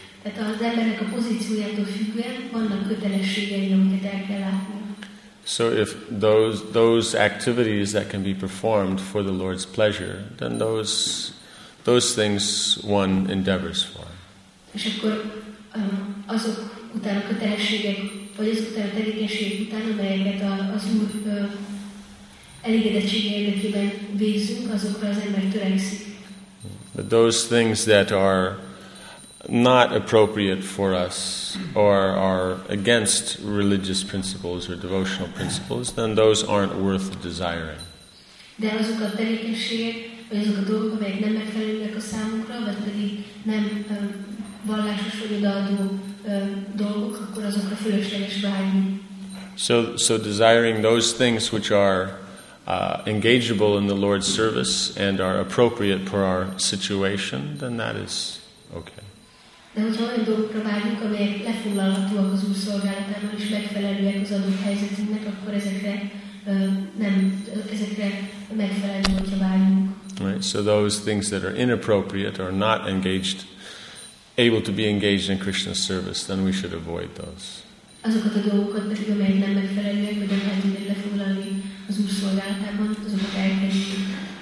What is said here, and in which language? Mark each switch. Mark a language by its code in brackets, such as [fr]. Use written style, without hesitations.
[hu] Tehát az embernek a pozíciójától függően vannak kötelességei, amiket el kell látni. [en] So if those activities that can be performed for the Lord's pleasure, then those things one endeavors for. [hu] És akkor azok után a kötelességek, vagy azok után a tevékenységek után, amelyeket az Úr elégedettsége érdekében végzünk, azokra az ember törekszik. [en] But those things that are not appropriate for us or are against religious principles or devotional principles, then those aren't worth desiring. [hu] De azok a tevékenységek, vagy azok a dolgok, amelyek nem megfelelőek a számunkra, vagy pedig nem vallásos vagy odaadó dolgok, akkor azokra fölösleges vágyni. [en] So desiring those things which are engageable in the Lord's service and are appropriate for our situation, then that is okay. [hu] De hogyha olyan dolgokra vágyunk, amelyek lefoglalhatóak az Úr szolgálatában és megfelelőek az adott helyzetünknek, akkor ezekre megfelelő, hogyha vágyunk. [en] Right, so those things that are inappropriate or not engaged, able to be engaged in Krishna's service, then we should avoid those. [hu] Azokat a dolgokat pedig, amelyek nem megfelelőek, vagy nem tudnak lefoglalni az Úr szolgálatában, azokat elkerüljük.